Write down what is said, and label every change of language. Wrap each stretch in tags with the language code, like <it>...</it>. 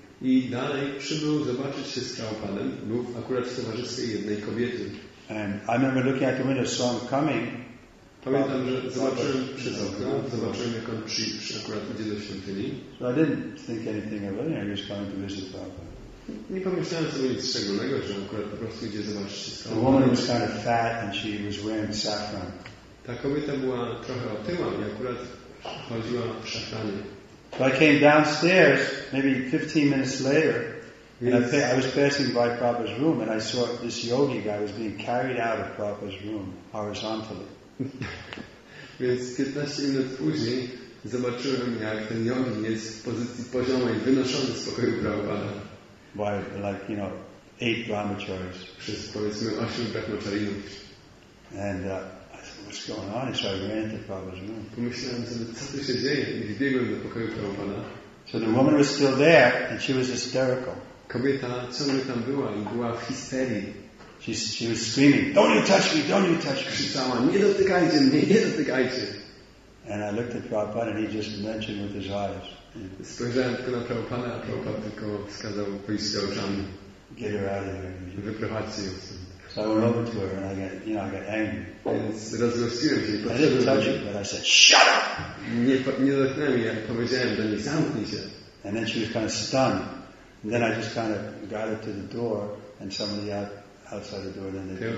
<pl>I dalej przybył zobaczyć się z Prabhupadem, był akurat w towarzystwie jednej kobiety.</pl> <en>And I remember looking at the window, saw him coming.</en> <pl>Pamiętam, że zobaczyłem jak on przyszedł akurat idzie do świątyni.</pl> <en>So I didn't think anything of it, I just came to visit Prabhupada.</en> <pl>Nie pomyślałem sobie nic szczególnego, że akurat po prostu idzie zobaczyć się z Prabhupada.</pl> <en>The woman was kind of fat and she was wearing saffron.</en> <pl>Ta kobieta była trochę otyła i akurat chodziła w szafranie.</pl> <en>So I came downstairs, maybe 15 minutes later. I was passing by Prabhupada's room and I saw this yogi guy was being carried out of Prabhupada's room horizontally.</en> <pl>Więc 15 minut później zobaczyłem, jak ten yogi jest w pozycji poziomej wynoszony z pokoju Prabhupada.</pl> <en>By like, you know, 8 brahmacharis.</en> <pl>Przez powiedzmy 8 brahmacharinów.</pl> <en>And I said, what's going on? And so I ran to Prabhupada's room.</en> <pl>Pomyślałem sobie, co tu się dzieje? I zbiegłem do pokoju Prabhupada.</pl> <en>So the woman was still there and she was hysterical.</en> <pl>Kobieta ciągle tam była i była w histerii.</pl> <en>She was screaming, don't you touch me, don't you touch me.</en> <pl>Krzyczała, nie dotykajcie mnie, nie dotykajcie.</pl> <en>And I looked at Prabhupada and he just mentioned with his eyes.</en> <pl>Spojrzałem tylko na Prabhupada, a Prabhupada tylko wskazał pójść z oczami.</pl> <en>Get her out of here.</en> <pl>Wyprowadźcie ją.</pl> <en>So I went over to her and I got, you know, I got angry.</en> <pl>Więc rozgłosiłem się.</pl> <en>I didn't touch her, but I said, shut up!</en> <pl>Nie dotknęłem jej, ale powiedziałem do niej, zamknij się.</pl> <en>And then she was kind of stunned. And then I just kind of got her to the door and somebody outside the door then they</en>